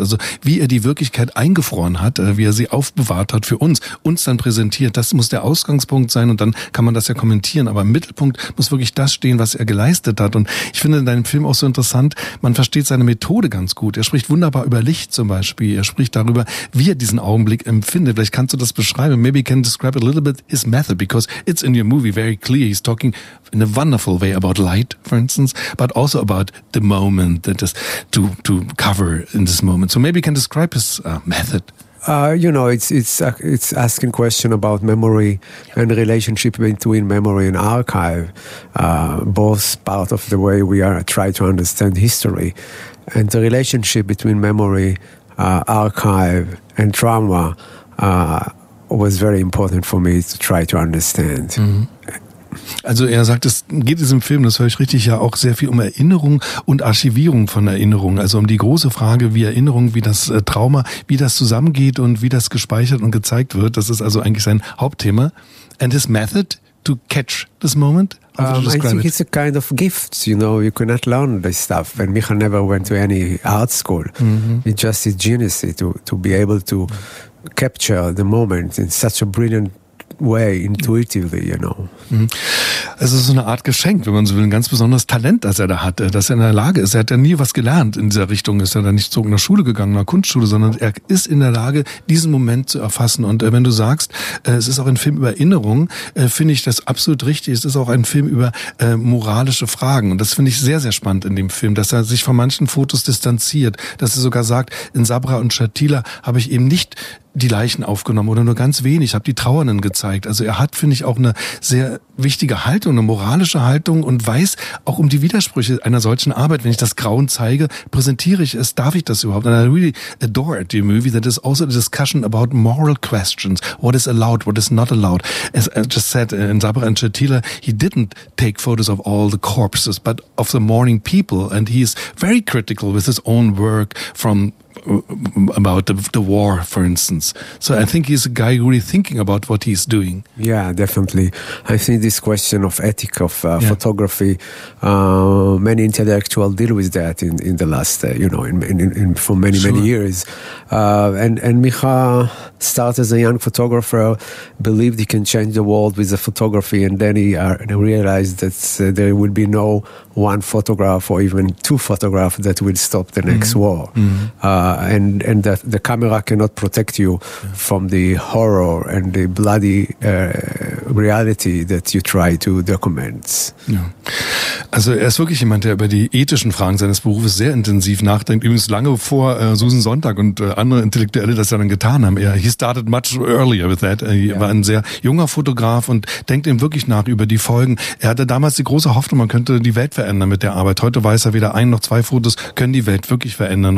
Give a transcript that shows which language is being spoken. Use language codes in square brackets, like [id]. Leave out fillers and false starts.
[de] Also wie er die Wirklichkeit eingefroren hat, wie er sie aufbewahrt hat für uns dann präsentiert, das muss der Ausgangspunkt sein, und dann kann man das ja kommentieren. Aber im Mittelpunkt muss wirklich das stehen, was er geleistet hat. Und ich finde in deinem Film auch so interessant, man versteht seine Methode ganz gut. Er spricht wunderbar über Licht zum Beispiel. Er spricht darüber, wie er diesen Augenblick empfindet. Kannst du das beschreiben? [en] Maybe you can describe a little bit his method, because it's in your movie very clear. He's talking in a wonderful way about light, for instance, but also about the moment that is to cover in this moment. So maybe you can describe his method. It's asking question about memory and relationship between memory and archive, both part of the way we are try to understand history, and the relationship between memory, archive, and trauma. Was very important for me to try to understand. [de] Also er sagt, es geht in diesem Film, das höre ich richtig, ja auch sehr viel um Erinnerung und Archivierung von Erinnerung. Also um die große Frage, wie Erinnerung, wie das Trauma, wie das zusammengeht und wie das gespeichert und gezeigt wird. Das ist also eigentlich sein Hauptthema. [en] And his method to catch this moment? I think it's a kind of gift, you know, you cannot learn this stuff. And Micha never went to any art school. Mm-hmm. It's just his genius to be able to capture the moment in such a brilliant way, intuitively, you know. [de] Es ist so eine Art Geschenk, wenn man so will, ein ganz besonderes Talent, das er da hatte, dass er in der Lage ist. Er hat ja nie was gelernt in dieser Richtung, ist er da nicht zurück in der Schule gegangen, in der Kunstschule, sondern er ist in der Lage, diesen Moment zu erfassen. Und wenn du sagst, es ist auch ein Film über Erinnerung, finde ich das absolut richtig. Es ist auch ein Film über moralische Fragen. Und das finde ich sehr, sehr spannend in dem Film, dass er sich von manchen Fotos distanziert, dass er sogar sagt, in Sabra und Shatila habe ich eben nicht die Leichen aufgenommen oder nur ganz wenig, habe die Trauernden gezeigt. Also er hat, finde ich, auch eine sehr wichtige Haltung, eine moralische Haltung, und weiß auch um die Widersprüche einer solchen Arbeit. Wenn ich das Grauen zeige, präsentiere ich es, darf ich das überhaupt? [en] And I really adore the movie that is also a discussion about moral questions. What is allowed, what is not allowed. As I just said, in Sabra and Shatila, he didn't take photos of all the corpses, but of the mourning people. And he is very critical with his own work from about the war, for instance. So I think he's a guy really thinking about what he's doing. Yeah, definitely. I think this question of ethic of photography, many intellectuals deal with that in the last, for many, sure. many years. And Micha started as a young photographer, believed he can change the world with the photography, and then he realized that there would be no one photograph or even two photographs that will stop the next war. And the camera cannot protect you from the horror and the bloody reality that you try to document. [de] Ja. Also er ist wirklich jemand, der über die ethischen Fragen seines Berufes sehr intensiv nachdenkt. Übrigens lange vor Susan Sontag und andere Intellektuelle das dann getan haben. [en] He started much earlier with that. [de] Er war ein sehr junger Fotograf und denkt eben wirklich nach über die Folgen. Er hatte damals die große Hoffnung, man könnte die Welt verändern mit der Arbeit. Heute weiß er, weder ein noch zwei Fotos können die Welt wirklich verändern.